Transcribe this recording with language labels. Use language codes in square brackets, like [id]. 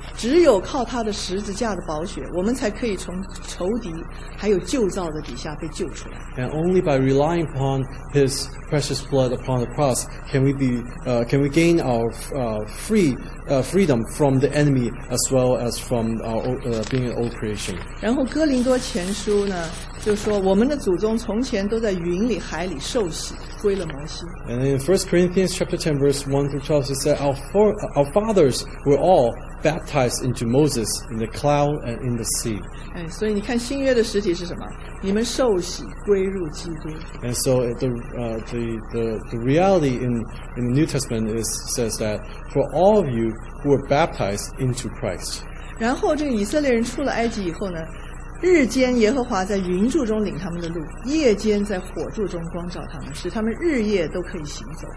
[zh] 只有靠他的十字架的宝血，我们才可以从仇敌还有旧造的底下被救出来。 [en] And only by relying upon his precious blood upon the cross can we gain our freedom from the enemy as well as from our being an old creation. [zh] 然后哥林多前书呢，就说我们的祖宗从前都在云里海里受洗。 [en] And in 1 Corinthians chapter 10 verse 1 through 12 it says our fathers were all baptized into Moses in the cloud and in the sea. [zh] 所以你看新约的实体是什么？你们受洗归入基督。 [en] And so the reality in the New Testament says that for all of you who were baptized into Christ. [zh] 然后这个以色列人出了埃及以后呢，日间耶和华在云柱中领他们的路，夜间在火柱中光照他们，使他们日夜都可以行走。